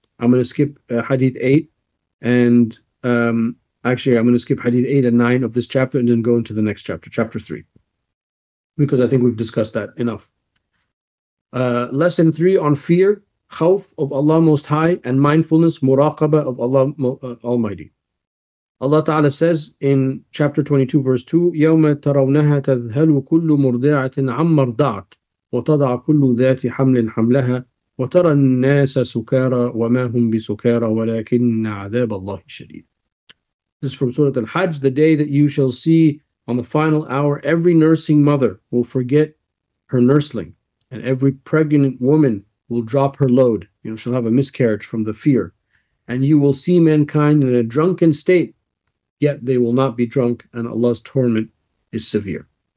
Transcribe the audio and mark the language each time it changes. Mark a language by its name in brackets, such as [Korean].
[English] I'm going to skip hadith 8 and I'm going to skip hadith 8 and 9 of this chapter and then go into the next chapter, chapter 3, because I think we've discussed that enough. Lesson 3 on fear, khawf of Allah Most High, and mindfulness, muraqabah of Allah Almighty. Allah Ta'ala says in chapter 22, verse 2, [Arabic] يَوْمَ تَرَوْنَهَا تَذْهَلُ كُلُّ مُرْضِعَةٍ عَمَّ رْضَعَتْ وتضع كل ذات حمل حملها وترى الناس سكارى وما هم بسكارى ولكن عذاب الله شديد. [English] This is from Surah Al-Hajj, the day that you shall see on the final hour every nursing mother will forget her nursling and every pregnant woman will drop her load. You know, she'll have a miscarriage from the fear. And you will see mankind in a drunken state, yet they will not be drunk and Allah's torment is severe.